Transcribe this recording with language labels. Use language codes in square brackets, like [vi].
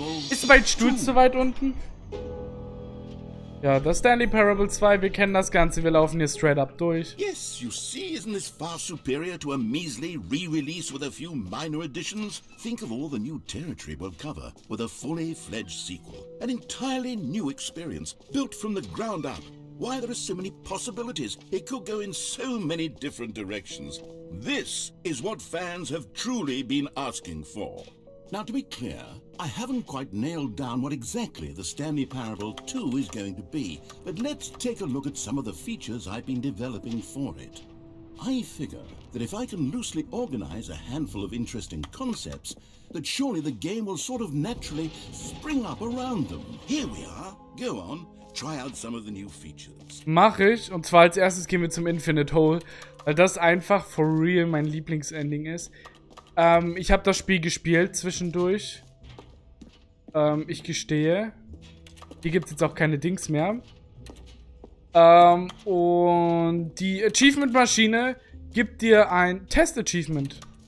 [de] Ist mein Stuhl zu weit unten? Ja, das Stanley Parable 2, wir kennen das Ganze, wir laufen hier [en] straight up [de] durch. [en] Yes, you see, isn't this far superior to a measly re-release with a few minor additions? Think of all the new territory we'll cover with a fully fledged sequel. An entirely new experience, built from the ground up. Why there are so many possibilities? It could go in so many different directions. This is what fans have truly been asking for. Now, to be clear, I haven't quite nailed down what exactly the Stanley Parable 2 is going to be, but let's take a look at some of the features I've been developing for it. I figure that if I can loosely organize a handful of interesting concepts, that surely the game will sort of naturally spring up around them. Here we are. Go on. Try out some of the new features. [de] Mach ich. Und zwar als erstes gehen wir zum Infinite Hole, weil das einfach [en] for real [de] mein Lieblingsending ist. Ich habe das Spiel gespielt zwischendurch. Ich gestehe. Hier gibt es jetzt auch keine Dings mehr. Und die Achievement-Maschine gibt dir ein Test-Achievement.